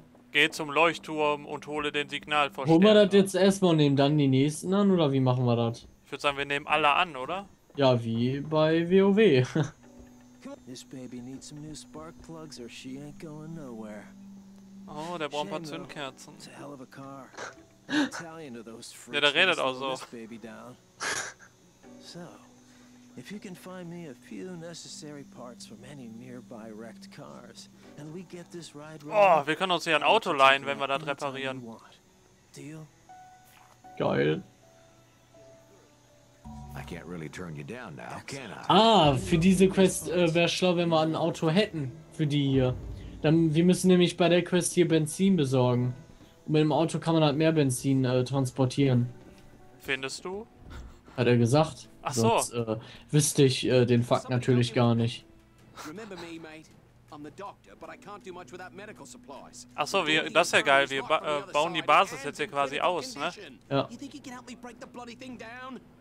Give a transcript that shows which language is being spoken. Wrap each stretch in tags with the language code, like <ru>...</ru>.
<de>Geh zum Leuchtturm und hole den Signal vor Sternen. Holen wir das jetzt erstmal und nehmen dann die nächsten an, oder wie machen wir das? Ich würde sagen, wir nehmen alle an, oder? Ja, wie bei WoW.</de> <en>This baby needs some new spark plugs or she ain't going nowhere.</en> <de>Oh, der braucht ein paar Zündkerzen.</de> <en>It's a hell of a car. Italian are those freaks.</en> <de>Ja, der redet auch so.</de> <en>Baby down. So, if you can find me a few necessary parts from any nearby wrecked cars, and we get this ride right.</en> <de>Oh, wir können uns hier ein Auto leihen, wenn wir das reparieren.</de> <en>Deal?</en> <de>Geil.</de> <en>I can't really turn you down now, can I?</en> <de>Ah, für diese Quest wäre schlau, wenn wir ein Auto hätten. Für die hier. Dann, wir müssen nämlich bei der Quest hier Benzin besorgen. Und mit dem Auto kann man halt mehr Benzin transportieren. Findest du? Hat er gesagt. Ach so. Sonst wüsste ich den Fakt natürlich gar nicht.</de> <en>Remember me, mate. I'm the doctor, but I can't do much without medical supplies.</en> <de>Ach so, das ist ja geil. Wir bauen die Basis jetzt hier quasi aus, ne? Ja.</de> <en>You think you can help me break the bloody thing down?</en>